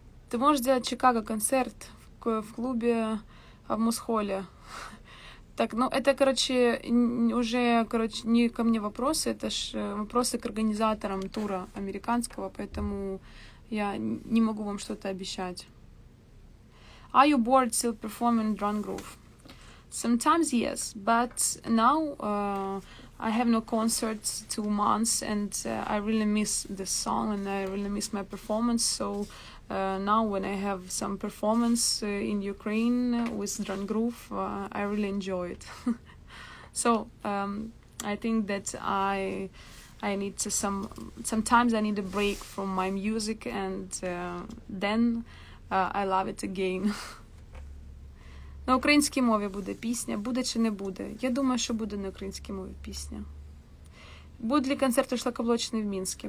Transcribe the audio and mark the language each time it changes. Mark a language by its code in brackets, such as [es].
[ru] Ты можешь сделать Чикаго концерт в клубе в Мусхолле? Так, ну это, короче, уже, короче, не ко мне вопросы, это ж вопросы к организаторам тура американского, поэтому я не могу вам что-то обещать. [en] Are you bored still performing Drunk Groove? Sometimes yes, but now I have no concerts 2 months and I really miss the song and I really miss my performance, so now when I have some performance in Ukraine with Drunk Groove, I really enjoy it. So I think that I need to sometimes I need a break from my music and then I love it again. [uk] На українській мові буде пісня, буде чи не буде? Я думаю, що буде на українській мові пісня. Будуть ли концерти Шлакоблочини в Мінську?